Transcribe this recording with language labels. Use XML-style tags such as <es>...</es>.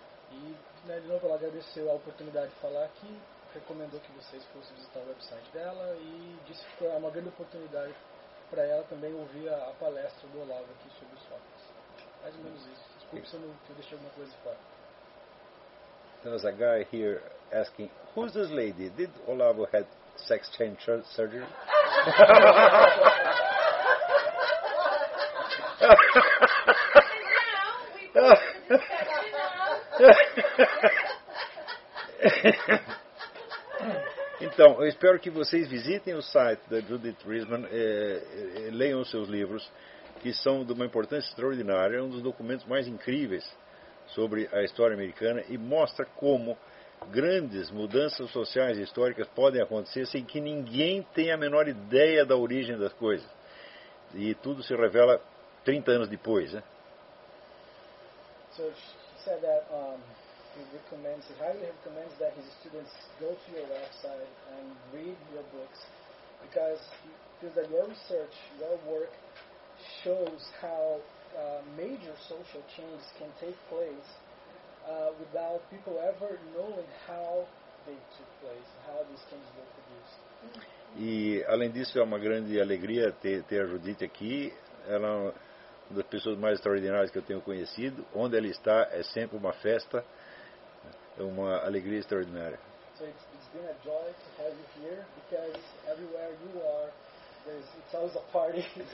<pt>E, né, de novo, ela agradeceu a oportunidade de falar aqui, recomendou que vocês fossem visitar o website dela e disse que foi uma grande oportunidade para ela também ouvir a palestra do Olavo aqui sobre os fatos. Mais ou menos isso. Desculpe se eu deixei alguma coisa de fora.</pt> <en>There was a guy here asking, who's this lady? Did Olavo had sex change surgery?</en> <pt>Então, eu espero que vocês visitem o site da Judith Riesman, leiam os seus livros, que são de uma importância extraordinária, é um dos documentos mais incríveis sobre a história americana e mostra como grandes mudanças sociais e históricas podem acontecer sem que ninguém tenha a menor ideia da origem das coisas. E tudo se revela 30 anos depois, né?</pt> <en>So she said that he highly recommends that his students go to your website and read your books because he feels that your research, your work shows how major social changes can take place without people ever knowing how they took place, how these changes were produced.</en> <pt>E além disso, é uma grande alegria ter a Judith aqui. Ela das pessoas mais extraordinárias que eu tenho conhecido. Onde ela está é sempre uma festa, é uma alegria extraordinária.</pt> <en>So it's been a joy to have you here because everywhere you are, it's always a party.</en>